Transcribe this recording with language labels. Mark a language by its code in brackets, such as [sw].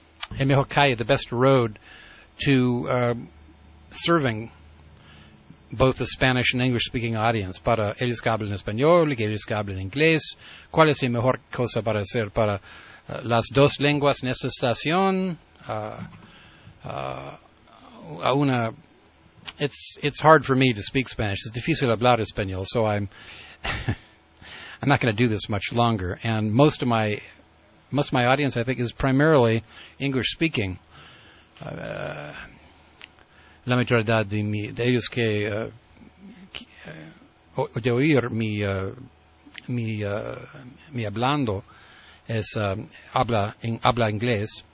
[en] The best road to serving both the Spanish and English speaking audience. [es] Para ellos que hablan español y ellos que hablan inglés, ¿cuál es la mejor cosa para hacer para las dos lenguas en esta estación? [en] It's hard for me to speak Spanish. [es] Es difícil hablar español, [en] so I'm not going to do this much longer. And most of my audience, I think, is primarily English speaking. [es] La mayoría de mi de ellos que de oír mi hablando es habla inglés.